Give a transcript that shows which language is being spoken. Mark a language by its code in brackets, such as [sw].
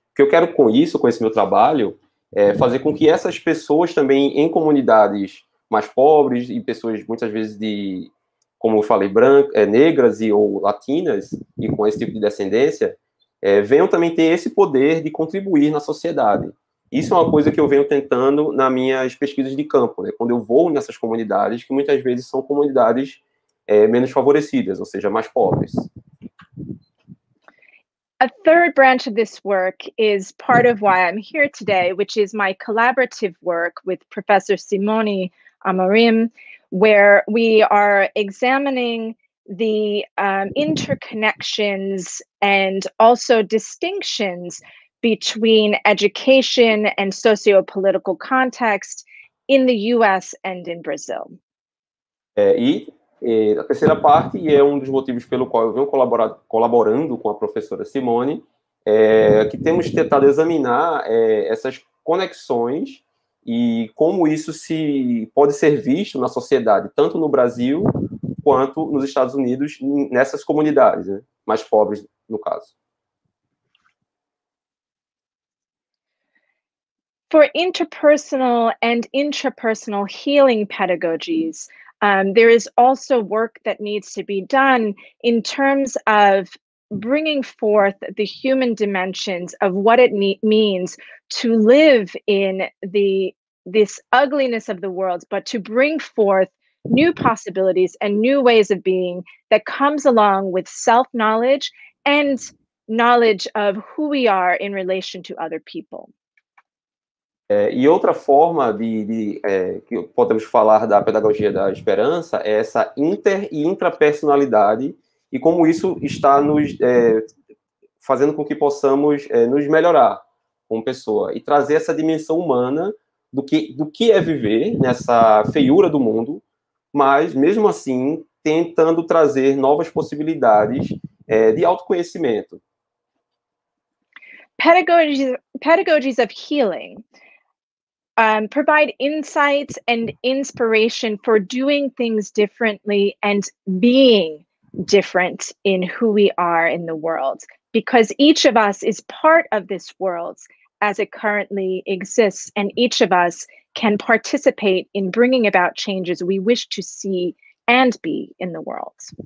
[pt] O que eu quero com isso, com esse meu trabalho, é fazer com que essas pessoas também em comunidades mais pobres e pessoas muitas vezes de, como eu falei, brancas, negras e ou latinas, e com esse tipo de descendência, venham também ter esse poder de contribuir na sociedade. Isso é uma coisa que eu venho tentando nas minhas pesquisas de campo, né? Quando eu vou nessas comunidades, que muitas vezes são comunidades menos favorecidas, ou seja, mais pobres. [en] A third branch of this work is part of why I'm here today, which is my collaborative work with Professor Simone Amorim, where we are examining the interconnections and also distinctions between education and socio-political context in the US and in Brazil. [pt] A terceira parte, e é um dos motivos pelo qual eu venho colaborando com a professora Simone, é que temos tentado examinar essas conexões e como isso se pode ser visto na sociedade, tanto no Brasil quanto nos Estados Unidos, nessas comunidades, né? Mais pobres, no caso. [en] For interpersonal and intrapersonal healing pedagogies, there is also work that needs to be done in terms of bringing forth the human dimensions of what it means to live in this ugliness of the world, but to bring forth new possibilities and new ways of being that comes along with self-knowledge and knowledge of who we are in relation to other people. [pt] É, e outra forma que podemos falar da pedagogia da esperança é essa inter- e intrapersonalidade e como isso está nos fazendo com que possamos nos melhorar como pessoa e trazer essa dimensão humana do que é viver nessa feiura do mundo, mas, mesmo assim, tentando trazer novas possibilidades de autoconhecimento. [en] Pedagogies of healing provide insights and inspiration for doing things differently and being different in who we are in the world, because each of us is part of this world as it currently exists, and each of us can participate in bringing about changes we wish to see and be in the world.